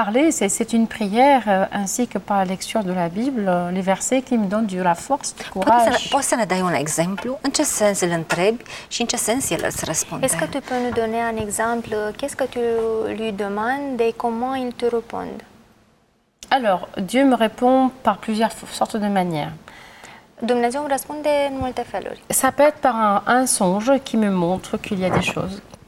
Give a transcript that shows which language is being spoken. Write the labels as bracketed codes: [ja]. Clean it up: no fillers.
[fr] C'est une prière ainsi que par la lecture de la Bible, les versets qui me donnent de la force, du courage. [ro] Poți să ne dai un exemplu? În ce sens îl întrebi și în ce sens el îți răspunde? [fr] Est-ce que tu peux nous donner un exemple? Qu'est-ce que tu lui demandes et comment il te répond? Alors, Dieu me répond par plusieurs sortes de manières. [ro] Dumnezeu răspunde în multe feluri. [fr] Ça peut être par un songe qui me montre qu'il y a des choses.